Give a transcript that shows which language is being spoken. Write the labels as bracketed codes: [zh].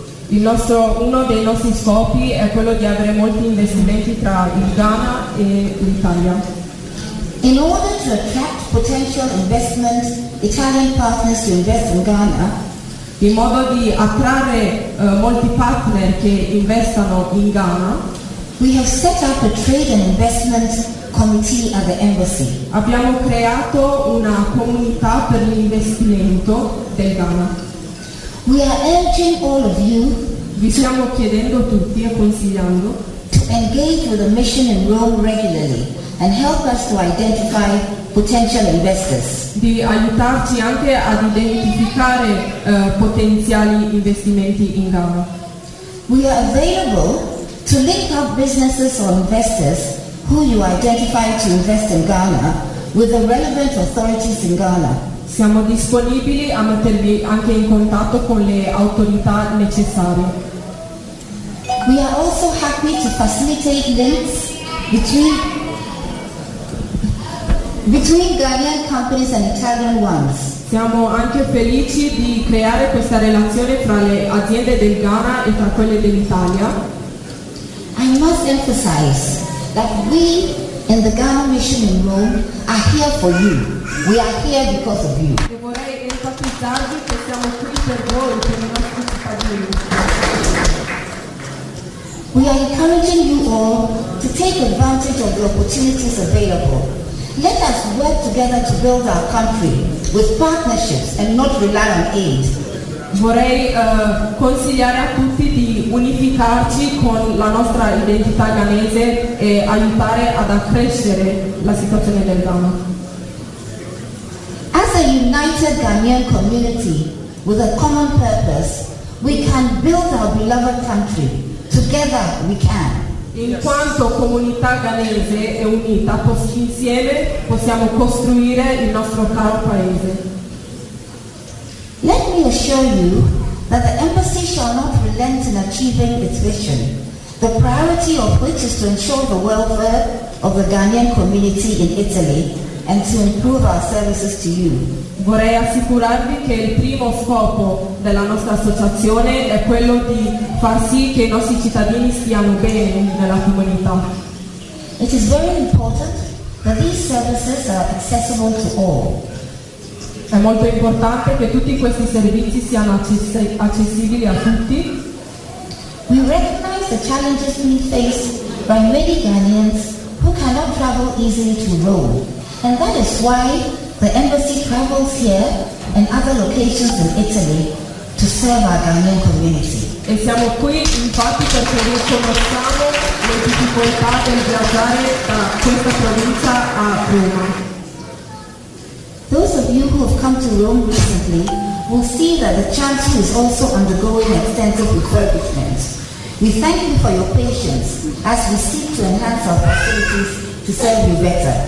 [it] Uno dei nostri scopi è quello di avere molti investimenti tra il Ghana e l'Italia. [en] In order to attract potential investment, Italian partners to invest in Ghana. [it] In modo di attrarre molti partner che investano in Ghana, [en] we have set up a trade and investment committee at the embassy. [it] Abbiamo creato una comunità per l'investimento del Ghana. [en] We are urging all of you, [it] vi stiamo chiedendo tutti e consigliando, [en] to engage with the mission in Rome regularly and help us to identify potential investors. [it] Di aiutarci anche ad identificare potenziali investimenti in Ghana. [en] We are available to link up businesses or investors who you identify to invest in Ghana with the relevant authorities in Ghana. [it] Siamo disponibili a mettervi anche in contatto con le autorità necessarie. [en] We are also happy to facilitate links between Ghanaian companies and Italian ones. [it] Siamo anche felici di creare questa relazione tra le aziende del Ghana e tra quelle dell'Italia. [en] I must emphasize that we in the Ghana mission in Rome are here for you. We are here because of you. [it] E vorrei enfatizzarvi che siamo qui per voi, per i nostri cittadini. [en] We are encouraging you all to take advantage of the opportunities available. Let us work together to build our country with partnerships and not rely on aid. [it] Vorrei consigliare a tutti di unificarci con la nostra identità ghanese e aiutare ad accrescere la situazione del Ghana. [en] As a united Ghanaian community with a common purpose, we can build our beloved country. Together we can. [it] In quanto comunità ghanese è unita, insieme possiamo costruire il nostro caro paese. [en] Let me assure you that the embassy shall not relent in achieving its vision, the priority of which is to ensure the welfare of the Ghanaian community in Italy and to improve our services to you. [it] Vorrei assicurarvi che il primo scopo della nostra associazione è quello di far sì che i nostri cittadini stiano bene nella comunità. [en] It is very important that these services are accessible to all. [it] È molto importante che tutti questi servizi siano accessibili a tutti. [en] We recognize the challenges being faced by many Ghanaians who cannot travel easily to Rome. And that is why the embassy travels here and other locations in Italy to serve our Ghanaian community. [it] E siamo qui infatti perché riconosciamo le difficoltà del viaggiare da questa provincia a Roma. [en] Those of you who have come to Rome recently will see that the chancel is also undergoing extensive refurbishment. We thank you for your patience as we seek to enhance our facilities to serve you better.